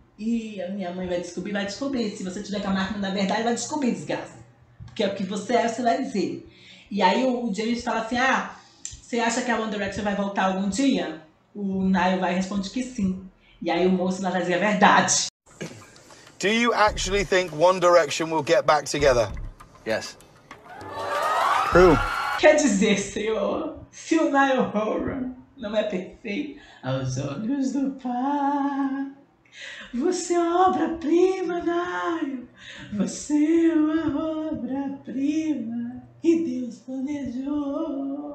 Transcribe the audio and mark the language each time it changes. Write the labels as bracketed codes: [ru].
[pt] E a minha mãe vai descobrir? Vai descobrir. Se você tiver com a máquina da verdade, vai descobrir, desgraça. Porque é o que você é, você vai dizer. E aí o James fala assim, ah, você acha que a One Direction vai voltar algum dia? O Niall vai responder que sim. E aí o moço vai dizer a verdade. [en] Do you actually think One Direction will get back together? Yes. Who? [pt] Quer dizer, senhor, se o Niall Horan não é perfeito aos olhos do pai... Você é uma obra-prima, Niall. Você é uma obra-prima que Deus planejou.